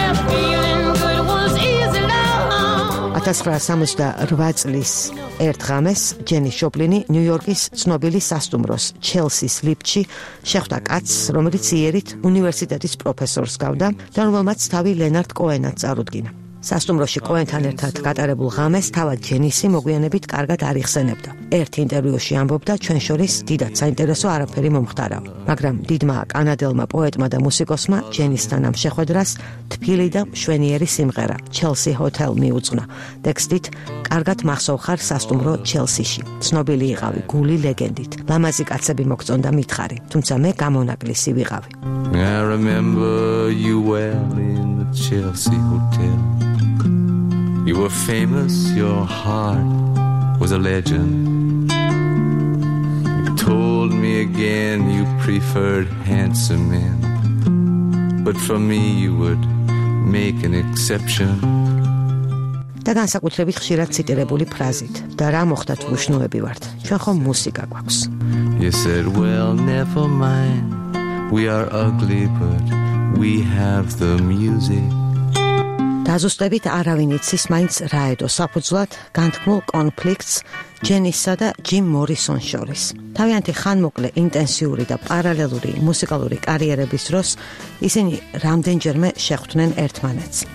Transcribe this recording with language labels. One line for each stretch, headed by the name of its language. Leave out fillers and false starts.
English: Feeling good was easy love.
Georgian: 1968 წლის ერთ ღამეს ჯენი შოპლინი ნიუ-იორკის ცნობილი სასტუმროს ჩელსის ლიფტში შეხვდა კაცს, რომელიც იერით უნივერსიტეტის პროფესორს გავდა და რომელმაც თავი ლენარდ კოენად წარუდგინა. სასტუმროში კოენთან ერთად გატარებულ ღამეს თავად ჯენისი მოგვიანებით კარგად არ იხსენებდა. ერთ ინტერვიუში ამბობდა, ჩვენ შორის დიდად საინტერესო არაფერი მომხდარა, მაგრამ დიდმა კანადელმა პოეტმა და მუსიკოსმა ჯენისთან ამ შეხვედრას თბილი და მშვენიერი სიმღერა Chelsea Hotel მიუძღვნა. ტექსტით: კარგად მახსოვხარ სასტუმრო ჩელსიში, ცნობილი იყავი გული ლეგენდით, ლამაზი კაცები მოგწონდა მითხარი, თუმცა მე გამონაკლისი ვიყავი.
English: I remember you well in the Chelsea Hotel. You were famous, your heart was a legend. You told me again you preferred handsome men, but for me you would make an exception.
Georgian: და განსაკუთრებით ხშირად ციტირებული ფრაზით, და რა მოხდა თუ უშნოები ვართ, ჩვენ ხომ მუსიკა გვაქვს.
English: You said, well, never mind, we are ugly, but we have the music.
Georgian: დაზუსტებით არავინ იცის მაინც რა ედო საფუძვლად განთქმულ კონფლიქტს ჯენისსა და ჯიმ მორისონ შორის. თავიანთი ხანმოკლე ინტენსიური და პარალელური მუსიკალური კარიერების დროს ისინი რამდენჯერმე შეხვდნენ ერთმანეთს.